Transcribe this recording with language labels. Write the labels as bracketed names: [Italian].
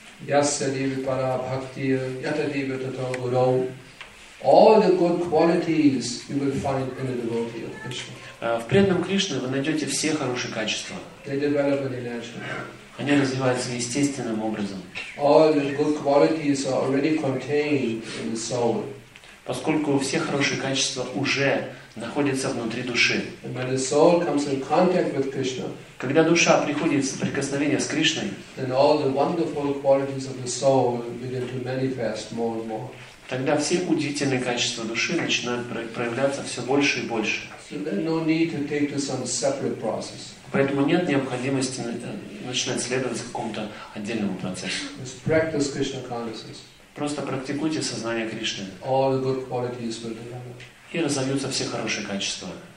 [Sanskrit] Yasya deva para bhakti, yata deva tato guru. [English] All the good qualities you will find in the devotee of Krishna. [Russian] В преданном Кришне вы найдете все хорошие качества. [English] They develop in the natural. [Russian] Они развиваются естественным образом. [English] All the good qualities are already contained in the soul. [Russian] Поскольку все хорошие качества уже находятся внутри души. [English] And when the soul comes in contact with Krishna, [Russian] когда душа приходит в соприкосновение с Кришной, [English] then all the wonderful qualities of the soul begin to manifest more and more. [Russian] Тогда все удивительные качества души начинают проявляться все больше и больше. [English] So then no need to take to some separate process. [Russian] Поэтому нет необходимости начинать следовать какому-то отдельному процессу. [English] Just practice Krishna consciousness. [Russian] Просто практикуйте сознание Кришны. [English] All the good qualities will develop. [Russian] И разовьются все хорошие качества.